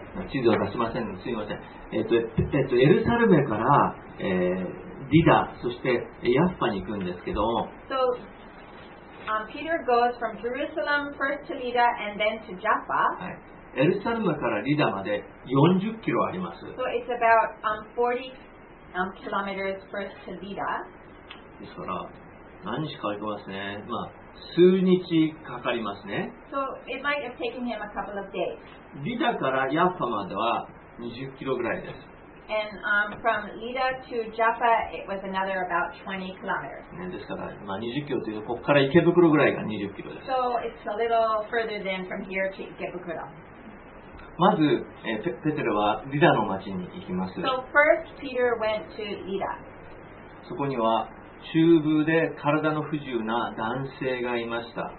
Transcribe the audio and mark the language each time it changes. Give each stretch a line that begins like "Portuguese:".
Japanese: 地図を出しません、すみません、エルサレムから、リダそしてヤッファに行くんですけど、
English: Peter goes from Jerusalem first to Lydda and then to Joppa、
Japanese: はい、エルサレムからリダまで40キロあります。
English: So it's about 40 kilometers first to Lydda。
Japanese: ですから何日かかりますね、まあ数日かかりますね。
English: So it might have taken him a couple of days.
Japanese: リダからヤッファまでは20キロぐらいです。
English: And from Lydda to Joppa it was another about 20 kilometers.
Japanese: ですから、まあ、20キロというとここから池袋ぐらいが20キロです。
English: So it's a little further than from here to 池袋。
Japanese: まず、ペテロはリダの町に行きます。
English: So first Peter went to Lydda.
Japanese: そこには中風で体の不自由な男性がいました。